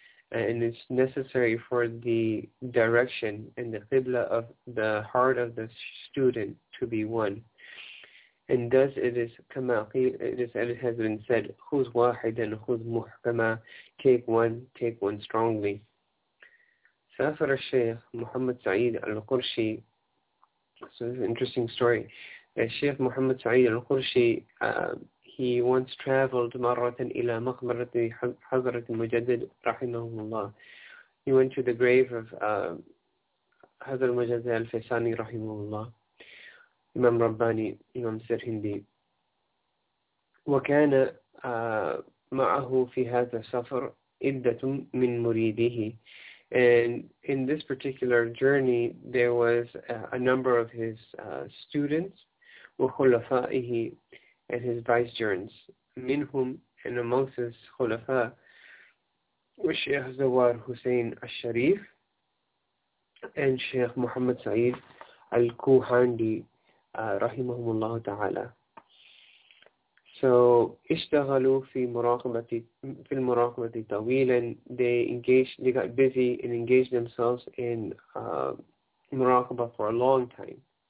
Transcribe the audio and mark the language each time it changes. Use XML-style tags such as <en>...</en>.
<en>And it's necessary for the direction and the qibla of the heart of the student to be one. And thus it is</en> <ar>كَمَا قِيلَ,</ar> <en>as it has been said,</en> <ar>خُذْ وَاحِدًا خُذْ مُحْكَمًا,</ar> <en>take one strongly.</en> <ar>سافر الشيخ محمد سعيد القرشي.</ar> <en>So it's an interesting story. Sheikh Muhammad Sa'id al-Qurshi, he once traveled</en> <ar>مرة إلى مقبرة حضرة المجدد رحمه الله.</ar> <en>He went to the grave of</en> <ar>حضرة المجدد الفيصاني رحمه الله. إمام رباني إمام سرهندي. وكان معه في هذا السفر عدة من مريديه.</ar> <en>And in this particular journey, there was a number of his students,</en> <ar>وخلفائه,</ar> <en>and his vicegerents,</en> <ar>منهم,</ar> <en>and amongst his خلفاء, الشيخ زوار حسين الشريف, and Sheikh Muhammad Saeed Al-Kuhandi,</en> <ar>رحمهم الله تعالى. So, اشتغلوا في المراقبة طويلا.</ar> <en>They got busy and engaged themselves in مراقبة for a long time.</en>